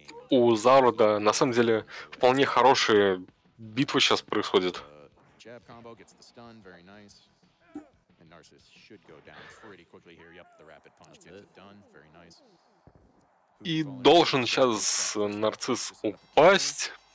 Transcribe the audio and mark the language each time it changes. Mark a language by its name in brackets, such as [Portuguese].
[Russian] У Зарода на самом деле вполне хорошая битва сейчас происходит. [English] Jab combo gets the stun, very nice. And Narciss should go down pretty quickly here. Yep, the rapid punch gets it done, very nice. [Russian] И должен сейчас Нарцисс упасть.